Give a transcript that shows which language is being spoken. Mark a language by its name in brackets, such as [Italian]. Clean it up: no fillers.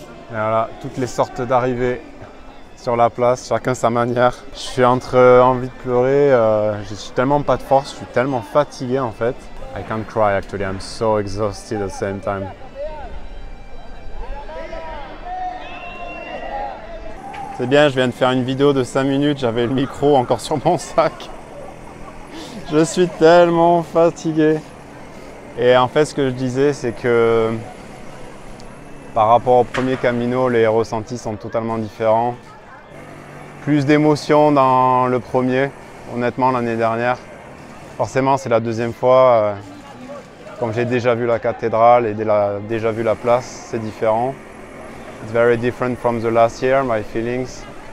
[French] Et voilà, toutes les sortes d'arrivées sur la place, chacun sa manière. Je suis entre envie de pleurer, je suis tellement pas de force, je suis tellement fatigué en fait. [English] I can't cry actually, I'm so exhausted at the same time. [French] C'est bien, je viens de faire une vidéo de 5 minutes, j'avais le micro encore sur mon sac. Je suis tellement fatigué. Et en fait, ce que je disais, c'est que par rapport au premier Camino, les ressentis sont totalement différents. Plus d'émotions dans le premier, honnêtement, l'année dernière. Forcément, c'est la deuxième fois. Comme j'ai déjà vu la cathédrale et déjà vu la place, c'est différent. [English] It's very different from the last year, my feelings.